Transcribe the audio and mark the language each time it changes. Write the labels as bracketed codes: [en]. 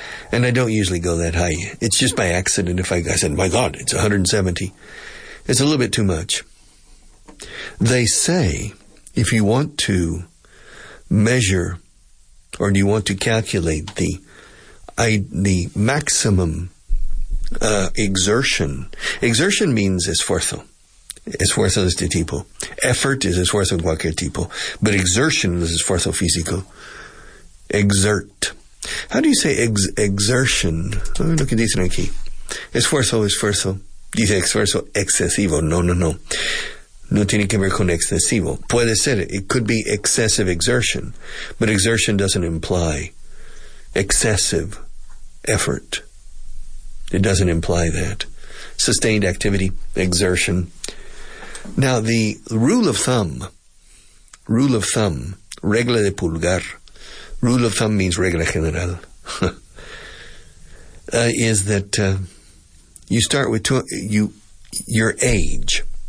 [en] And I don't usually go that high. It's just by accident. I said, my God, it's 170. It's a little bit too much. They say if you want to measure or do you want to calculate the maximum exertion. Exertion means [es] esfuerzo. Esfuerzo de este tipo. [en] Effort is [es] esfuerzo de cualquier tipo. [en] But exertion is [es] esfuerzo físico. [en] Exert. How do you say exertion? [es] Lo que dicen aquí. Esfuerzo. Dice esfuerzo excesivo. No. no tiene que ver con excesivo. Puede ser, [en] it could be excessive exertion, but exertion doesn't imply excessive effort. It doesn't imply that. Sustained activity, exertion. Now, the rule of thumb, [es] regla de pulgar, [en] rule of thumb means [es] regla general, [en] is that you start with your age.